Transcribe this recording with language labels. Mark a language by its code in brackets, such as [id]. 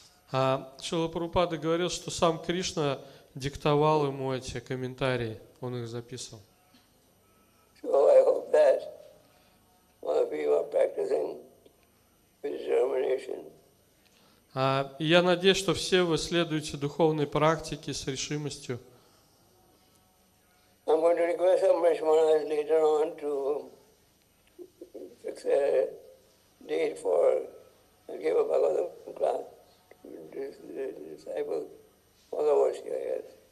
[ru] Шрила Прабхупада говорил, что сам Кришна диктовал ему эти комментарии, он их записывал. [en] So I hope that all of you are practicing with determination. [ru] Я надеюсь, что все вы следуете духовной практике с решимостью. [en] I'm going to request some Brahmanas later on to fix a date for give a Bhagavatam class to the disciples, followers here, yes.